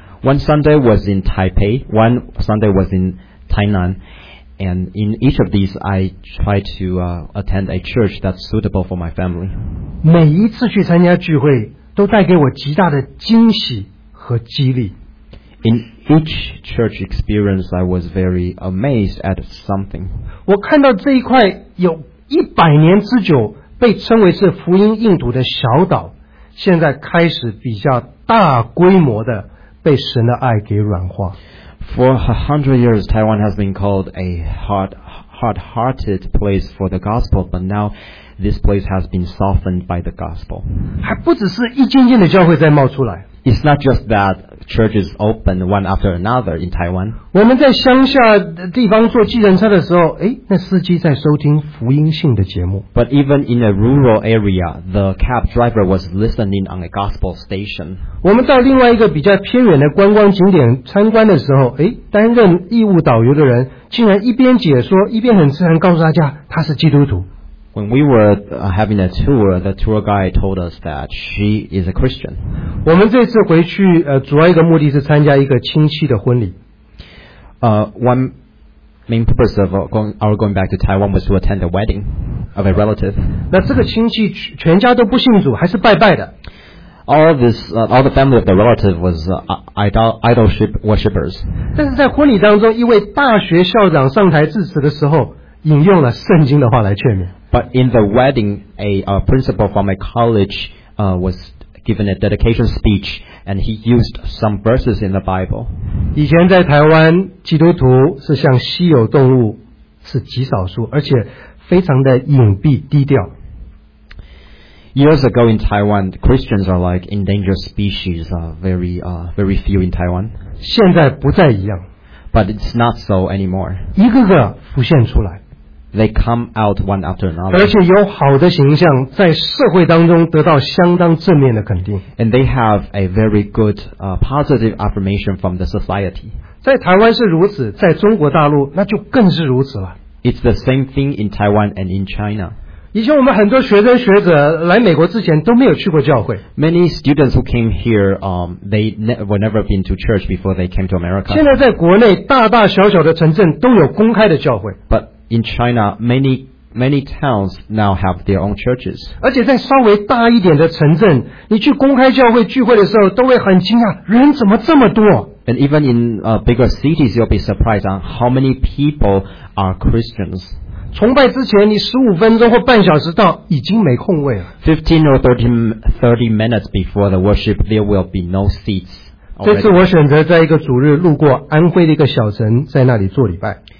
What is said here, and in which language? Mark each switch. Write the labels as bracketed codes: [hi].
[en] One Sunday was in Taipei, one Sunday was in Tainan, and in each of these, I tried to attend a church that's suitable for my family. [zh] 每一次去参加聚会都带给我极大的惊喜和激励。 [en] In each church experience, I was very amazed at something. [zh] 我看到这一块有一百年之久被称为是福音印度的小岛，现在开始比较大规模的被神的爱给软化。 [en] For 100 years, Taiwan has been called a hard-hearted place for the gospel, but now this place has been softened by the gospel. [zh] 还不只是一间间的教会在冒出来。 [en] It's not just that churches open one after another in Taiwan. [zh] 我们在乡下地方坐计程车的时候，哎，那司机在收听福音性的节目。 [en] But even in a rural area, the cab driver was listening on a gospel station. [zh] 我们到另外一个比较偏远的观光景点参观的时候，哎，担任义务导游的人竟然一边解说，一边很自然告诉大家他是基督徒。 [en] When we were having a tour, the tour guide told us that she is a Christian. [zh] 我们这次回去主要一个目的是参加一个亲戚的婚礼。 [en] One main purpose of our going back to Taiwan was to attend a wedding of a relative. [zh] 那这个亲戚全家都不信主，还是拜拜的。 [en] All the family of the relative was idol worshippers. [zh] 但是在婚礼当中，一位大学校长上台致辞的时候，引用了圣经的话来劝勉。 [en] But in the wedding, a principal from a college was given a dedication speech, and he used some verses in the Bible. [zh] 以前在台湾，基督徒是像稀有动物，是极少数，而且非常的隐蔽低调。 [en] Years ago in Taiwan, Christians are like endangered species, very few in Taiwan. [zh] 现在不再一样。 [en] But it's not so anymore. [zh] 一个个浮现出来。 [en] They come out one after another. [zh] 而且有好的形象在社会当中得到相当正面的肯定。 [en] And they have a very good positive affirmation from the society. [zh] 在台湾是如此，在中国大陆那就更是如此了。 [en] It's the same thing in Taiwan and in China. [zh] 以前我们很多学生学者来美国之前都没有去过教会。 [en] Many students who came here, they were never been to church before they came to America. [zh] 现在在国内大大小小的城镇都有公开的教会。 [en] But in China, many towns now have their own churches. [zh] 而且在稍微大一点的城镇，你去公开教会聚会的时候，都会很惊讶，人怎么这么多？ [en] And even in bigger cities, you'll be surprised on how many people are Christians. [zh] 崇拜之前，你15分钟或半小时到，已经没空位了。 [en] 15 or 30 minutes before the worship, there will be no seats. [zh] 这次我选择在一个主日路过安徽的一个小城，在那里做礼拜。